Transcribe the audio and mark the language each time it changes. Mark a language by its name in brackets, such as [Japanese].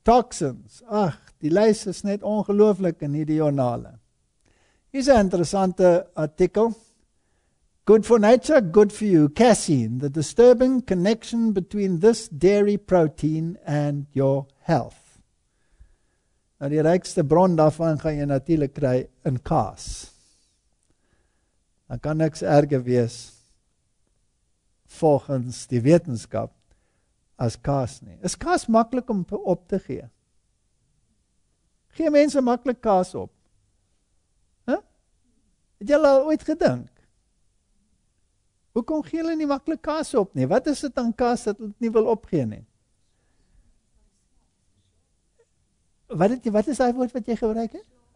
[Afrikaans] Toxins, ach, die lys is net ongelooflik in hierdie joernale. Hier is 'n interessante artikel. [English] Good for nature, good for you. Casein, the disturbing connection between this dairy protein and your health. [Afrikaans] Nou die rykste bron daarvan gaan jy natuurlik kry in kaas. Dan kan niks erger wees volgens die wetenskap as kaas nie. Is kaas maklik om op te gee? Gee mense maklik kaas op? Het jy al ooit gedink? Hoekom gee hulle nie maklik kaas op nie? Wat is dit aan kaas dat hulle nie wil opgee nie? Wat is daai woord wat jy gebruik het?